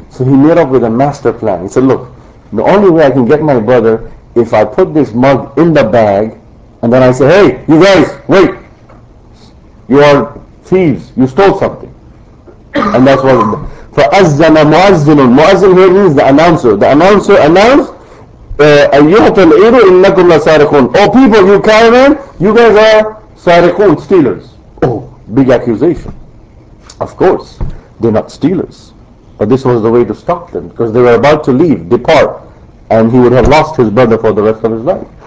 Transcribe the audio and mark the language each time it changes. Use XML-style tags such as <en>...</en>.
<en>So he made up with a master plan. He said, look, the only way I can get my brother, if I put this mug in the bag, and then I say, hey, you guys, wait, you are thieves, you stole something. And that's what it meant.</en> <ar>فَأَزَّنَ مُعَزِّنٌ.</ar> <en>Mu'azzin here means the announcer. The announcer announced,</en> <ar>أَيُّهَةَ الْعِيرُ إِنَّكُمْ لَسَارِقُونَ.</ar> <en>Oh people, you caravan, you guys are sariqun, stealers. Oh, big accusation. Of course, they're not stealers. But this was the way to stop them, because they were about to leave, depart, and he would have lost his brother for the rest of his life.</en>